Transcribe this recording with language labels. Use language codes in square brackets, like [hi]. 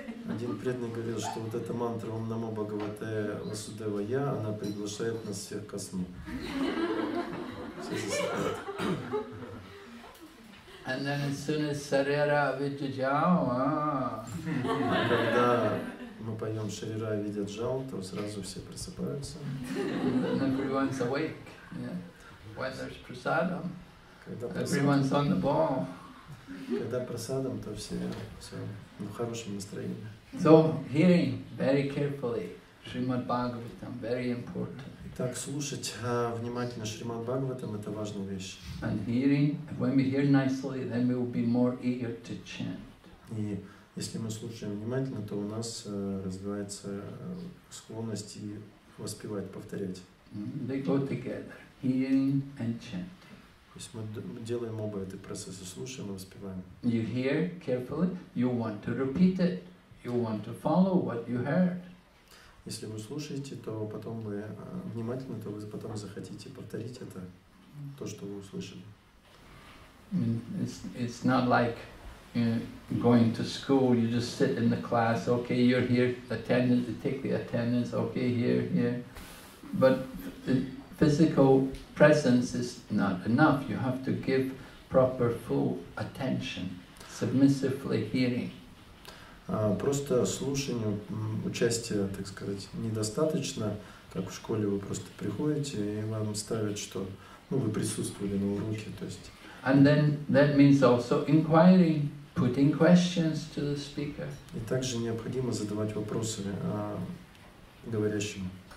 [ru] Один преданный говорил, что вот эта мантра Ом Намо Бхагавате Васудевая, она приглашает нас всех ко сну. [en] And then as soon as Sarira Vidjajao, [ru] когда мы поем Шарира Виджаджао, то сразу все просыпаются. [en] And everyone's awake. Yeah. When there's prasadam. Everyone's on the ball. [ru] Когда просадом, то все в хорошем настроении. [en] So hearing very carefully Srimad Bhagavatam, very important. [ru] Итак, слушать внимательно Шримад Бхагаватам — это важная вещь. [en] And hearing, when we hear nicely, then we will be more eager to chant. [ru] И если мы слушаем внимательно, то у нас развивается склонность и воспевать, повторять. [en] They go together, hearing and chant. [ru] То есть мы делаем оба эти процессы, слушаем и воспеваем. [en] You hear carefully, you want to repeat it, you want to follow what you heard. [ru] Если вы слушаете, то потом вы внимательно, то вы потом захотите повторить это, то, что вы услышали. [en] It's not like going to school, you just sit in the class, okay, you're here, attendance, you take the attendance, okay, here, here. But physical presence is not enough. You have to give proper full attention, submissively hearing. [ru] Просто слушанию, участия, так сказать, недостаточно. Как в школе вы просто приходите, и вам ставят, что ну, вы присутствовали на уроке. То есть. [en] And then that means also inquiring, putting questions to the speaker. [ru] И также необходимо задавать вопросы говорящему.